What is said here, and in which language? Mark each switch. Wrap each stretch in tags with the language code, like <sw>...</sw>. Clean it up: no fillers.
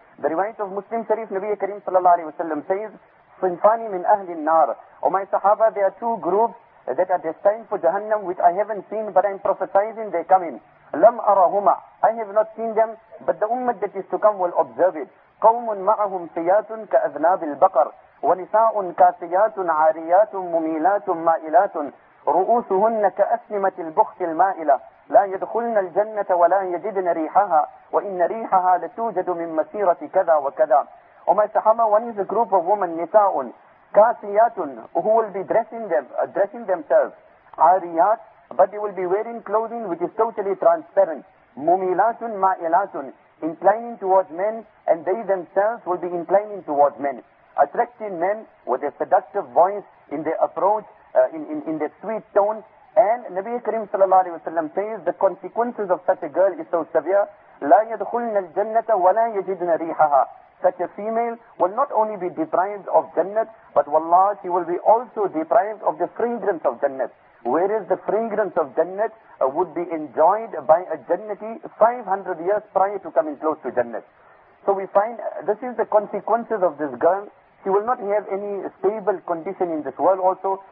<en>The riwayat of Muslim Sharif, Nabi Kareem sallallahu alayhi wa sallam says, صنفان من أهل النار. Oh my Sahaba, there are two groups that are destined for Jahannam, which I haven't seen, but I'm prophesizing they come in.</en> <ar>لم أرهما.</ar> <en>I have not seen them, but the ummah that is to come will observe it.</en> <ar>قوم معهم سيات كأذناب البقر ونساء كاسيات عاريات مميلات مائلات رؤوسهن كأسنمة البخت المائلة لا يدخلن الجنة ولا يجدن ريحها وإن ريحها لتوجد من مسيرة كذا وكذا.</ar> <en>Oh my Sahaba, one is a group of women, nisa'un, kasiyatun, who will be dressing themselves, ariyat, but they will be wearing clothing which is totally transparent, mumilatun ma'ilatun, inclining towards men, and they themselves will be inclining towards men. attracting men with a seductive voice in their approach, in their sweet tone. And Nabi Karim sallallahu alayhi wa sallam says the consequences of such a girl is so severe.</en> <ar>لا يدخلن الجنة ولا يجدن ريحها.</ar> <en>Such a female will not only be deprived of Jannah, but wallah, she will be also deprived of the fragrance of Jannah. Whereas the fragrance of Jannah would be enjoyed by a Jannati 500 years prior to coming close to Jannah. So we find this is the consequences of this girl. She will not have any stable condition in this world also.</en>